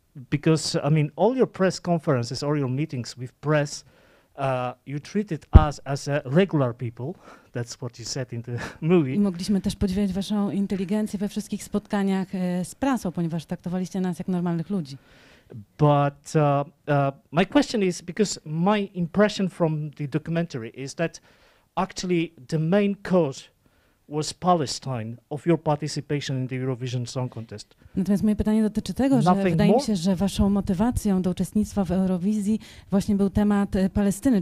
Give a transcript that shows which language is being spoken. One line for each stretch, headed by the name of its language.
English: Because, I mean, all your press conferences, all your meetings with press, you treated us as regular people. That's what you said in the movie.
Polish: I mogliśmy też podziwiać waszą inteligencję we wszystkich spotkaniach z prasą, ponieważ traktowaliście nas jak normalnych ludzi.
English: But my question is, because my impression from the documentary is that actually the main cause was Palestine of your participation in the Eurovision Song Contest.
Polish: Natomiast moje pytanie dotyczy tego, że wydaje mi się, że waszą motywacją do uczestnictwa w Eurowizji właśnie był temat Palestyny.